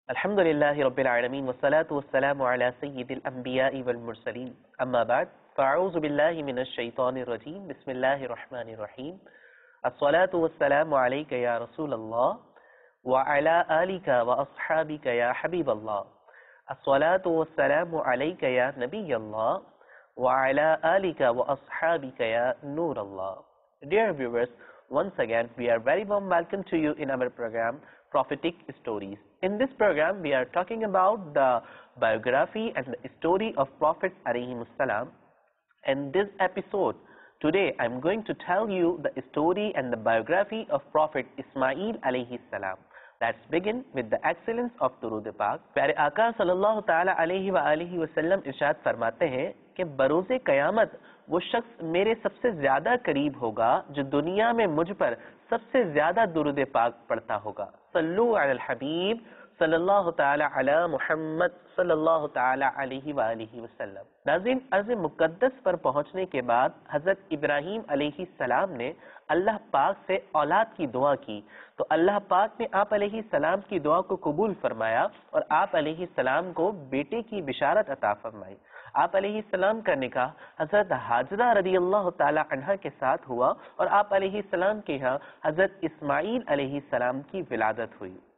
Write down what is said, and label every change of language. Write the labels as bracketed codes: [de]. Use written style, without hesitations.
[ar] الحمد لله رب العالمين والصلاة والسلام على سيد الأنبياء والمرسلين أما بعد فأعوذ بالله من الشيطان الرجيم بسم الله الرحمن الرحيم الصلاة والسلام عليك يا رسول الله وعلى آلك وأصحابك يا حبيب الله الصلاة والسلام عليك يا نبي الله وعلى آلك وأصحابك يا نور الله [en] Dear viewers, once again, we are very warm welcome to you in our program, Prophetic Stories. In this program, we are talking about the biography and the story of Prophet Alaihim Assalam. In this episode, today, I'm going to tell you the story and the biography of Prophet Ismail Alaihi Salam. Let's begin with the excellence of Durood Pak. [ur] Pyare Aqa Sallallahu Ta'ala Alaihi Wa Alihi Wasallam irshad farmate hain ke baroze qiyamah وہ شخص میرے سب سے زیادہ قریب ہوگا جو دنیا میں مجھ پر سب سے زیادہ درود پاک پڑھتا ہوگا صلو علی الحبیب صلی اللہ تعالی علی محمد صلی اللہ تعالی علیہ وآلہ وسلم ناظرین عرض مقدس پر پہنچنے کے بعد حضرت ابراہیم علیہ السلام نے اللہ پاک سے اولاد کی دعا کی تو اللہ پاک نے آپ علیہ السلام کی دعا کو قبول فرمایا اور آپ علیہ السلام کو بیٹے کی بشارت عطا فرمائی آپ علیہ السلام کا نکاح حضرت حاجرہ رضی اللہ تعالی عنہ کے ساتھ ہوا اور آپ علیہ السلام کے ہاں حضرت اسماعیل علیہ السلام کی ولادت ہوئی